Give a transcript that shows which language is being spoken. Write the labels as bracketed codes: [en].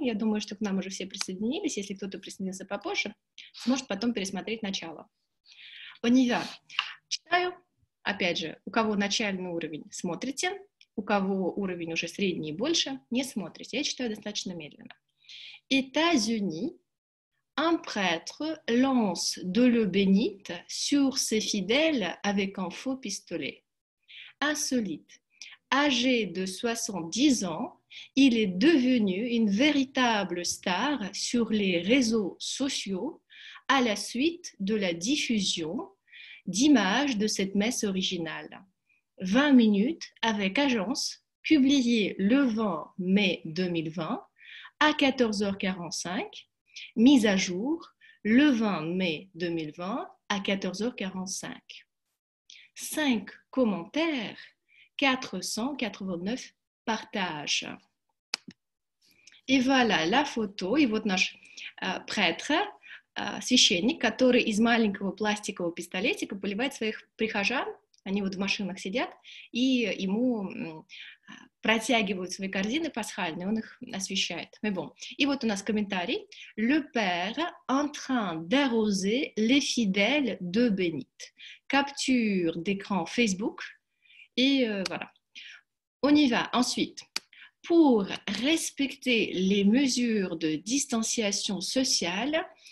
[ru] Я думаю, что к нам уже все присоединились. Если кто-то присоединился попозже, сможет потом пересмотреть начало. Поняла. Читаю. Опять же, у кого начальный уровень, смотрите. У кого уровень уже средний и больше, не смотрите. Я читаю достаточно медленно. [fr] États-Unis. Un prêtre lance de l'eau bénite sur ses fidèles avec un faux pistolet. Insolite. Âgé de 70 ans, il est devenu une véritable star sur les réseaux sociaux à la suite de la diffusion d'images de cette messe originale. 20 minutes avec agence, publiée le 20 mai 2020 à 14h45. Mise à jour le 20 mai 2020 à 14h45. 5 commentaires, 489 partages. Et voilà la photo. [ru] Et вот наш prêtre, священник, который из маленького пластикового пистолетика поливает своих прихожан. Они вот в машинах сидят, и ему протягивают свои корзины пасхальные, он их освещает. [fr] Mais bon. [ru] И вот у нас комментарий. [fr] Le père en train d'arroser les fidèles de Bénite. Capture d'écran Facebook. Et voilà. On y va. Ensuite, pour respecter les mesures de distanciation sociale,